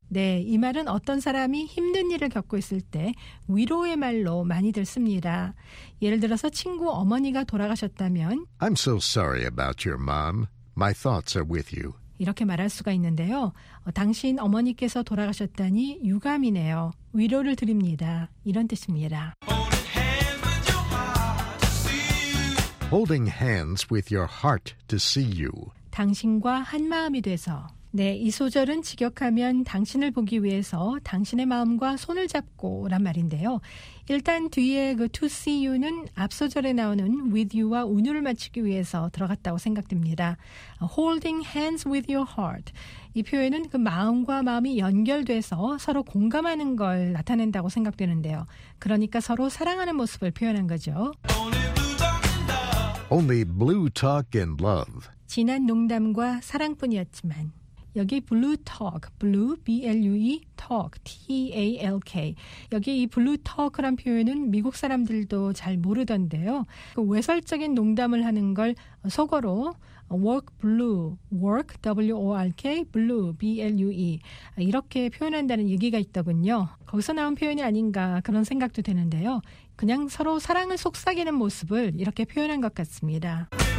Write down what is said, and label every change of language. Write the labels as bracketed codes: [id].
[ko] 네, 이 말은 어떤 사람이 힘든 일을 겪고 있을 때 위로의 말로 많이들 씁니다. 예를 들어서 친구 어머니가 돌아가셨다면 [en] I'm so sorry about your mom. My thoughts are with you. [ko] 이렇게 말할 수가 있는데요. 당신 어머니께서 돌아가셨다니 유감이네요. 위로를 드립니다. 이런 뜻입니다. [en] Holding hands with your heart to see you. [ko] 당신과 한 마음이 돼서. 네, 이 소절은 직역하면 당신을 보기 위해서 당신의 마음과 손을 잡고란 말인데요. 일단 뒤에 그 [en] to see you [ko] 는 앞 소절에 나오는 [en] with you [ko] 와 운율을 맞추기 위해서 들어갔다고 생각됩니다. [en] Holding hands with your heart. [ko] 이 표현은 그 마음과 마음이 연결돼서 서로 공감하는 걸 나타낸다고 생각되는데요. 그러니까 서로 사랑하는 모습을 표현한 거죠. [en] Only blue talk and love. [ko] 진한 농담과 사랑뿐이었지만 여기 blue talk, [en] blue, B-L-U-E, talk, T-A-L-K. [ko] 여기 이 blue talk란 표현은 미국 사람들도 잘 모르던데요. 그 외설적인 농담을 하는 걸 속어로 [en] work blue, work, W-O-R-K, blue, B-L-U-E [ko] 이렇게 표현한다는 얘기가 있더군요. 거기서 나온 표현이 아닌가 그런 생각도 되는데요. 그냥 서로 사랑을 속삭이는 모습을 이렇게 표현한 것 같습니다.